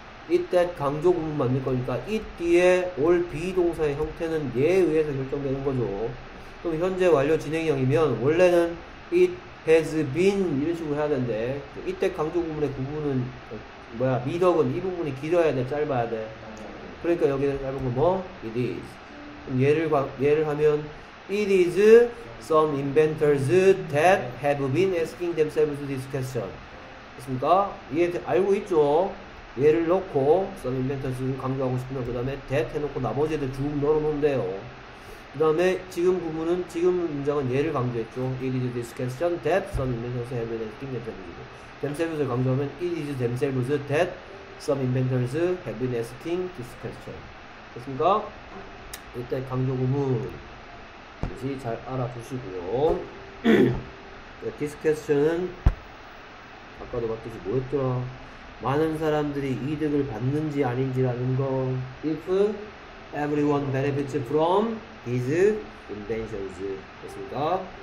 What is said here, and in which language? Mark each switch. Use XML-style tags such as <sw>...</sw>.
<ko>it that 강조 부분 만들 거니까 it 뒤에 올 be 동사의 형태는 얘에 의해서 결정되는 거죠. 그럼 현재 완료 진행형이면 원래는</ko> <en>it has been</en> <ko>이런 식으로 해야 되는데 it that 강조 부분의 부분은 뭐야, 미덕은 이 부분이 길어야 돼, 짧아야 돼? 그러니까 여기 짧은 건 뭐?</ko> <en>it is.</en> <ko>그럼 얘를 하면</ko> <en>it is some inventors that have been asking themselves this question.</en> <ko>됐습니까? 이해, 알고 있죠? 얘를 넣고, some inventors를 강조하고 싶으면, 그 다음에 that 해놓고, 나머지 애들 쭉 넣어놓으면 돼요. 그 다음에, 지금 부분은, 지금 문장은 얘를 강조했죠?</ko> <en>It is this question that some inventors have been asking themselves. themselves를 강조하면, it is themselves that some inventors have been asking this question.</en> <ko>됐습니까? 이때 강조 부분, 다시 잘 알아두시고요. this question은, 아까도 봤듯이 뭐였더라? 많은 사람들이 이득을 받는지 아닌지라는 거.</ko> <en>If everyone benefits from his inventions.</en> <ko>됐습니까?</ko>